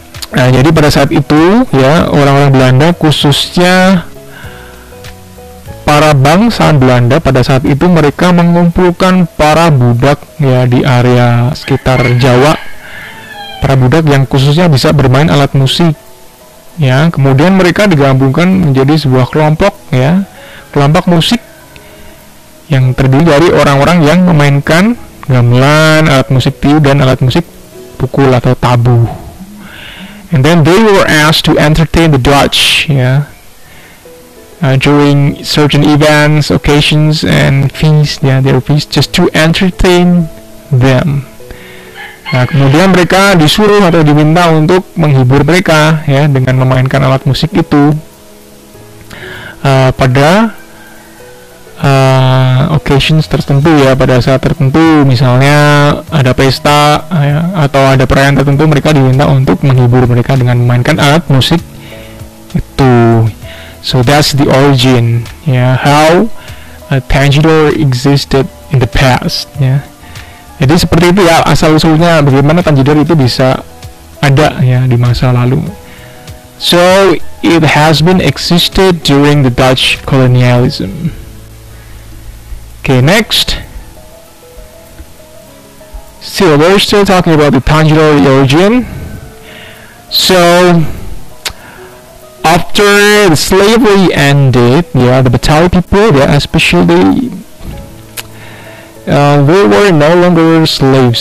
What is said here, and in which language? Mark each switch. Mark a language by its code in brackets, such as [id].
[id] Nah, jadi pada saat itu ya, orang-orang Belanda, khususnya para bangsawan Belanda pada saat itu, mereka mengumpulkan para budak ya di area sekitar Jawa, para budak yang khususnya bisa bermain alat musik ya. Kemudian mereka digabungkan menjadi sebuah kelompok ya, kelompok musik yang terdiri dari orang-orang yang memainkan gamelan, alat musik tiup dan alat musik pukul atau tabu. [en] And then they were asked to entertain the Dutch, yeah, during certain events, occasions, and feasts, yeah, their feasts, just to entertain them. [id] Nah, kemudian mereka disuruh atau diminta untuk menghibur mereka, ya, yeah, dengan memainkan alat musik itu pada occasions tertentu, ya, pada saat tertentu, misalnya ada pesta ya, atau ada perayaan tertentu, mereka diminta untuk menghibur mereka dengan memainkan alat musik itu. [en] So that's the origin, ya, yeah, how a tanjidor existed in the past, ya, yeah. [id] Jadi seperti itu ya asal-usulnya, bagaimana tanjidor itu bisa ada ya di masa lalu. [en] So it has been existed during the Dutch colonialism. Okay, next. So we're still talking about the tanjidor origin. So after the slavery ended, yeah, the Batawi people, yeah, especially, they were no longer slaves.